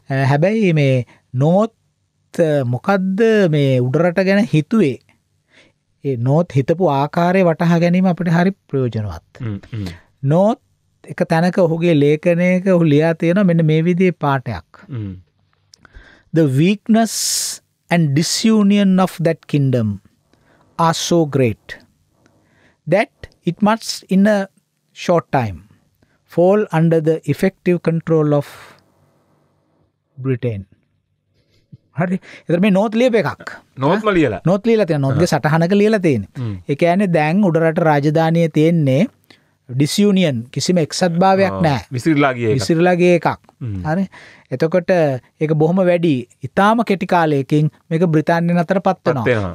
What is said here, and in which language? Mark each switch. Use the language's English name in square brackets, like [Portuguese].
[Sinhala] හැබැයි මේ නෝත් මොකද්ද මේ උඩරට ගැන හිතුවේ? ඒ නෝත් හිතපු ආකාරය වටහා ගැනීම අපිට හරි ප්‍රයෝජනවත්. නෝත් එක තැනක ඔහුගේ ලේඛනයක ඔහු ලියා තියෙනවා මෙන්න මේ විදිහේ පාඩයක්. [English] The weakness and disunion of that kingdom are so great that it must in a short time fall under the effective control of Britain. [Sinhala] හරි, එතන මේ නෝත් ලියප එකක්. නෝත්ම ලියලා. නෝත් ලියලා තියෙනවා, නෝත්ගේ සටහනක ලියලා තියෙනවා. ඒ කියන්නේ දැන් උඩරට රාජධානිය තියෙන්නේ ඩිස්යුනියන්, කිසිම එක්සත්භාවයක් නැහැ. විසිරලා ගිය එකක්. හරි. එතකොට ඒක බොහොම වැඩි, ඉතාම කෙටි කාලයකින් මේක බ්‍රිතාන්‍යන් අතරපත් වෙනවා.